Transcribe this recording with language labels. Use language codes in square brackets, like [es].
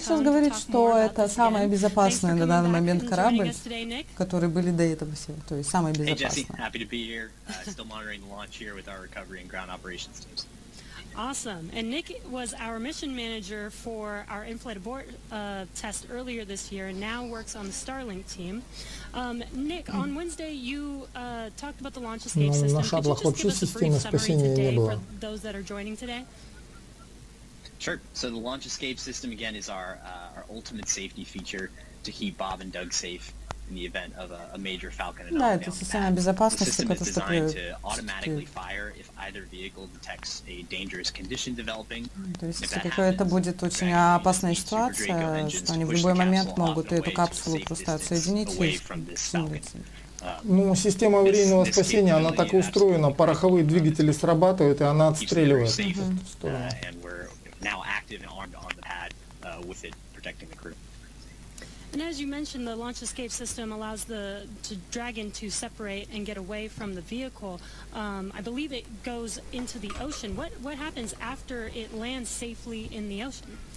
[ru] Сейчас говорит, что это самое безопасное на данный момент корабль, которые были до этого всего, то есть самое безопасное. [en] Hey Jesse, happy to be here. Still monitoring launch here with our recovery and ground operations teams. Awesome. And Nick was our mission manager for our in-flight abort test earlier this year, and now works on the Starlink team. Nick, on Wednesday you talked about the launch escape system. [ru] На шаттлах вообще системы спасения не было. [en] Those that are joining today. Sure. So the launch escape system again is our ultimate safety feature to keep Bob and Doug safe in the event of a major Falcon and all down. [ru] Да, это система безопасности, когда стоит. [en] The system is designed to automatically fire if either vehicle detects a dangerous condition developing. [ru] То есть, если какая-то будет очень опасная ситуация, что они в любой момент могут эту капсулу просто отсоединить и снизить. Ну, система аварийного спасения, она так и устроена. Пороховые двигатели срабатывают, и она отстреливает. [en] And we're now active and armed on the pad with it protecting the crew. And as you mentioned, the launch escape system allows the Dragon to separate and get away from the vehicle. I believe it goes into the ocean. What happens after it lands safely in the ocean?